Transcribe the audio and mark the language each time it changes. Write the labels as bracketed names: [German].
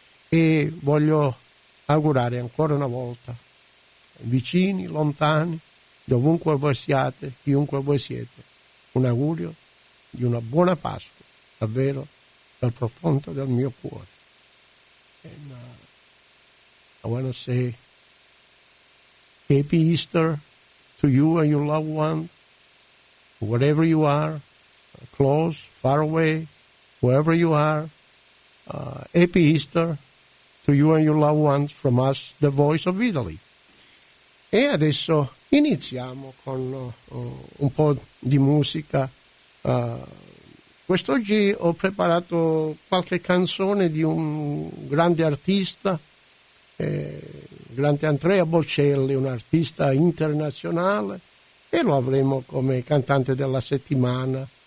[Italian] E voglio augurare ancora una volta, vicini, lontani, dovunque voi siate, chiunque voi siete, un augurio di una buona Pasqua, davvero dal profondo del mio cuore. [English] I want to say Happy Easter to you and your loved one, wherever you are, close, far away, wherever you are. Happy Easter to you and your loved ones from us, the Voice of Italy. [Italian] E adesso iniziamo con un po' di musica. Quest'oggi ho preparato qualche canzone di un grande artista, grande Andrea Bocelli, un artista internazionale, e lo avremo come cantante della settimana